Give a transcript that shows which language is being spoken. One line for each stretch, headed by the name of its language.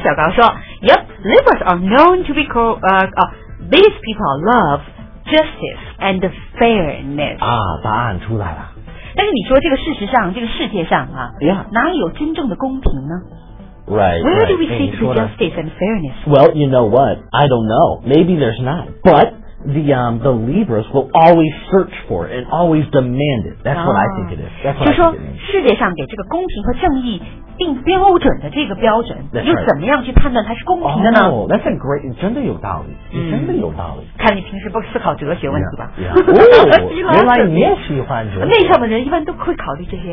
Chinese: 小高说
English: Yep, Libras are known to be these people love justice and fairness.
Chinese: 啊，答案出来了。但是你说这个世界上啊
English: yeah.
Chinese: 哪有真正的公平呢?
English: Right, Where right, do we see justice and fairness? Well, you know what? I don't know. Maybe there's not. But the Libras will always search for it and always demand it. That's what I think it is. That's what
Chinese: 就说,
English: I think it is.
Chinese: 世界上给这个公平和正义定标准的这个标准又怎么样去判断它是公平的呢?
English: Oh, no, that's a great
Chinese: 真的有道理看你平时不思考哲学问题吧原来你也喜欢哲学内向的人一般都会考虑这些